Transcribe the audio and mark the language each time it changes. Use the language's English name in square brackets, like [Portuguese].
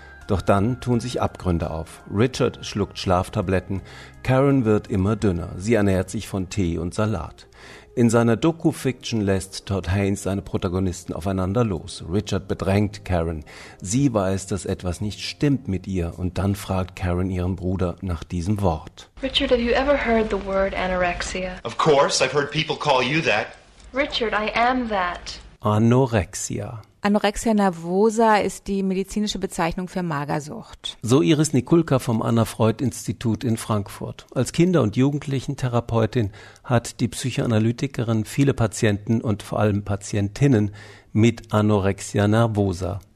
[German] Doch dann tun sich Abgründe auf. Richard schluckt Schlaftabletten, Karen wird immer dünner, sie ernährt sich von Tee und Salat. In seiner Doku-Fiction lässt Todd Haynes seine Protagonisten aufeinander los. Richard bedrängt Karen. Sie weiß, dass etwas nicht stimmt mit ihr. Und dann fragt Karen ihren Bruder nach diesem Wort. [English] Richard, have you ever heard the word anorexia? Of course, I've heard people call you that. Richard, I am that. Anorexia. [German] Anorexia nervosa ist die medizinische Bezeichnung für Magersucht. So Iris Nikulka vom Anna-Freud-Institut in Frankfurt. Als Kinder- und Jugendlichentherapeutin hat die Psychoanalytikerin viele Patienten und vor allem Patientinnen mit Anorexia nervosa.